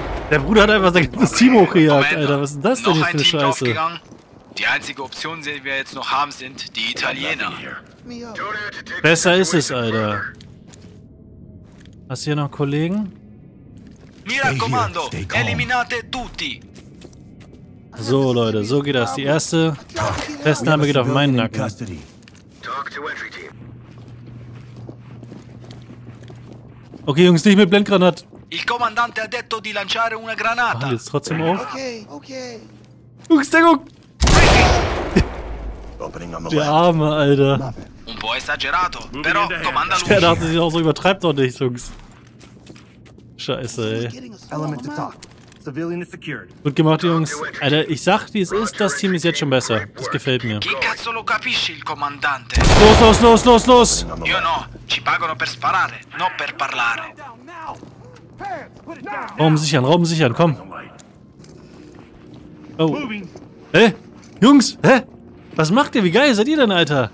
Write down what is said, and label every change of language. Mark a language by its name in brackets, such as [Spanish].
[German] Der Bruder hat einfach sein ganzes Team hochgejagt, Alter. Was ist das denn hier für eine Scheiße? Die einzige Option, die wir jetzt noch haben, sind die Italiener. Besser ist es, Alter. Hast du hier noch Kollegen? [Italian] Mira Comando, eliminate tutti. [German] So, Leute, so geht das. Die erste Festnahme geht auf meinen Nacken. Okay, Jungs, nicht mit Blendgranat. [Italian] Il comandante ha detto di lanciare una granata. [German] Machen wir jetzt trotzdem auf. Jungs, Deckung! Der Arme, Alter. [Italian] Un po' esagerato, però comanda lui. [German] Der dachte sich auch so, übertreibt doch nicht, Jungs. Scheiße, ey. [English] Element to talk. Civilian is secured. [German] Gut gemacht, Jungs. Alter, ich sag, wie es ist, das Team ist jetzt schon besser. Das gefällt mir. [Italian] Chi cazzo lo capisci, il comandante? [German] Los, los, los, los, los! [Italian] Io no, ci pagano per sparare, non per parlare. [German] Raum sichern, komm. Oh. Hä? Jungs, hä? Was macht ihr? Wie geil seid ihr denn, Alter?